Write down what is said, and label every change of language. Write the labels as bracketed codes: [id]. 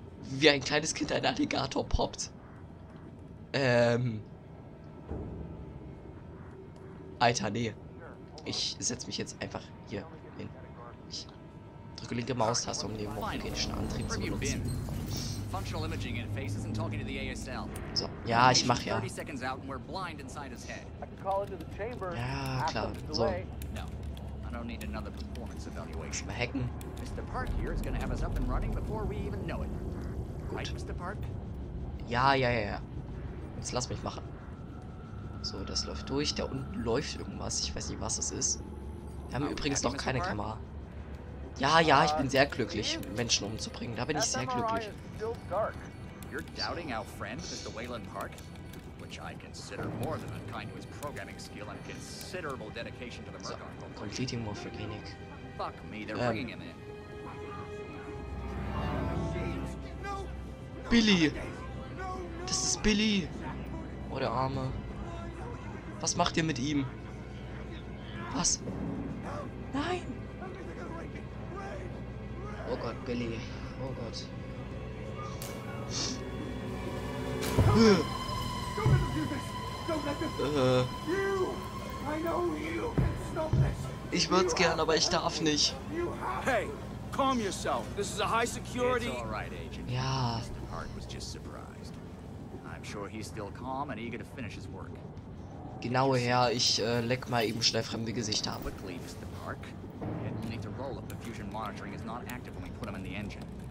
[de] Wie ein kleines Kind ein Alligator poppt. Alter, nee. Ich setz mich jetzt einfach hier hin. Ich drücke linke Maustaste, um den morphogenischen Antrieb zu benutzen. [en] Functional imaging interfaces and talking to the ASL. [de] So, ja, ich mach ja. Ja, klar. So. Mal hacken. Mr. [en] Park here is gonna have us up and running before we even know it. [de] Gut. Mr. Park? Ja, ja, ja, ja. Jetzt lass mich machen. So, das läuft durch. Da unten läuft irgendwas. Ich weiß nicht, was es ist. Wir haben übrigens noch keine Kamera. Ja, ja, ich bin sehr glücklich, Menschen umzubringen. Da bin ich sehr glücklich. [en] You're doubting our friend, Mr. Wayland Park? Which I consider more than unkind to his programming skill and considerable dedication to the Murdoch Corporation. Completing Morphogenic. Fuck me, they're bringing him in. [de] Billy! Das ist Billy! Oh, der Arme. Was macht ihr mit ihm? Was? Nein! Oh Gott, Billy. Oh Gott. Ich würde es gern, aber ich darf nicht. [en] Hey, calm yourself. This is a high security. It's all right, Agent. Ja. Mr. Park was just surprised. I'm sure he's still calm and eager to finish his work. [de] Genau, Herr, ich leck mal eben schnell fremde Gesichter ab. [en] Quickly, Mr. Park. And we need to roll up. The fusion monitoring is not active when we put him in the engine.